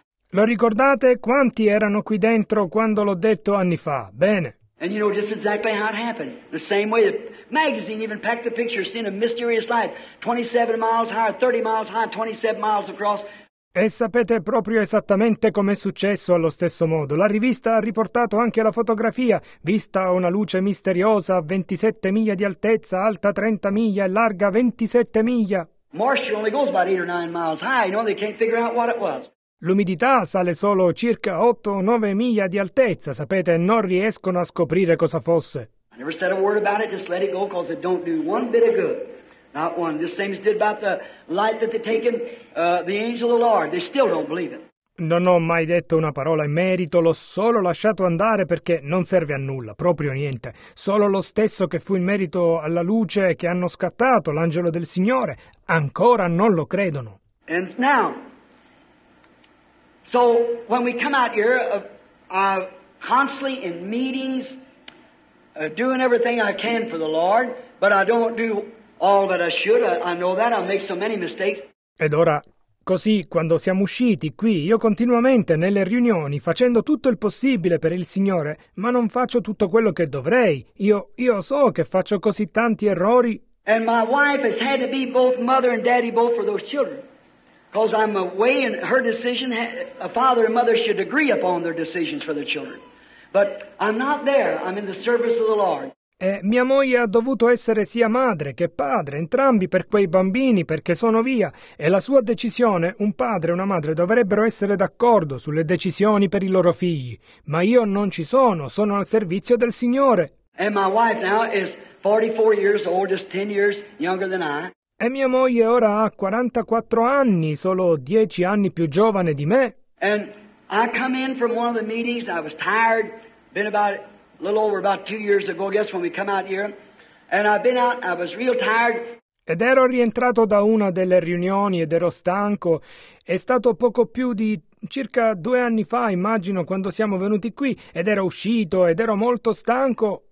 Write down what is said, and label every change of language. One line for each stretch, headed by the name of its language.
Italian: Lo ricordate quanti erano qui dentro quando l'ho detto anni fa? Bene.
English: And you know just exactly how it happened. The same way the magazine even packed the picture, seeing a mysterious light, 27 miles high, 30 miles high, 27 miles across.
Italian: E sapete proprio esattamente com'è successo allo stesso modo. La rivista ha riportato anche la fotografia, vista una luce misteriosa a 27 miglia di altezza, alta 30 miglia e larga 27 miglia.
English: Moisture only goes about 8 or 9 miles high, you know, they can't figure out what it was.
Italian: L'umidità sale solo circa 8 o 9 miglia di altezza, sapete, non riescono a scoprire cosa fosse.
English: I never said a word about it, just let it go, cause it don't do one bit of good. Not one. The same as did about the light that they've taken, the angel of the Lord. They still don't believe it.
Italian: Non ho mai detto una parola in merito, l'ho solo lasciato andare perché non serve a nulla, proprio niente. Solo lo stesso che fu in merito alla luce che hanno scattato, l'angelo del Signore, ancora non lo credono.
English: And now, so when we come out here, constantly in meetings, doing everything I can for the Lord, but I don't do all that I should, I know that, I make so many mistakes.
Italian: Ed ora, così, quando siamo usciti qui, io continuamente nelle riunioni, facendo tutto il possibile per il Signore, ma non faccio tutto quello che dovrei. Io so che faccio così tanti errori.
English: And my wife has had to be both mother and daddy both for those children. Because I'm away in her decision, a father and mother should agree upon their decisions for their children. But I'm not there, I'm in the service of the Lord.
Italian: E mia moglie ha dovuto essere sia madre che padre, entrambi per quei bambini, perché sono via. E la sua decisione, un padre e una madre dovrebbero essere d'accordo sulle decisioni per i loro figli. Ma io non ci sono, sono al servizio del Signore.
English: And my wife now is 44 years old, just 10 years younger than I.
Italian: E mia moglie ora ha 44 anni, solo 10 anni più giovane di me.
English: And I come in from one of the meetings, I was tired, been about a little over about 2 years ago, I guess, when we come out here. And I've been out, I was real tired.
Italian: Ed ero rientrato da una delle riunioni ed ero stanco. È stato poco più di circa 2 anni fa, immagino, quando siamo venuti qui. Ed ero uscito ed ero molto stanco.